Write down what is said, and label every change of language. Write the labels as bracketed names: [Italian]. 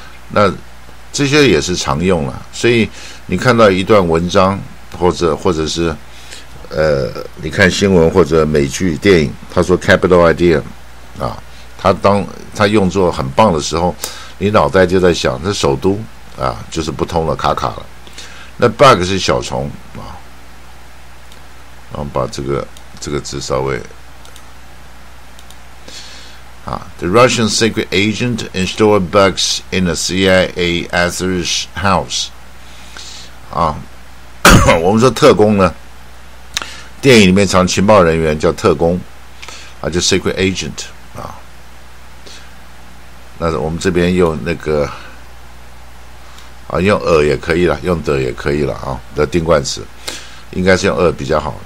[Chinese] 那这些也是常用了，所以你看到一段文章或者是你看新闻或者美剧电影，他说 capital idea 啊，他用作很棒的时候，你脑袋就在想这首都啊，就是不通了，卡卡了。那 bug 是小虫啊，然后把这个字稍微啊 [English] ，The Russian secret agent installed bugs in the CIA officer's house。 [Chinese] 啊，我们说特工呢，电影里面常情报人员叫特工，啊，就 secret agent 啊。那我们这边用那个啊，用也可以了，用的也可以了啊，的定冠词应该是用比较好。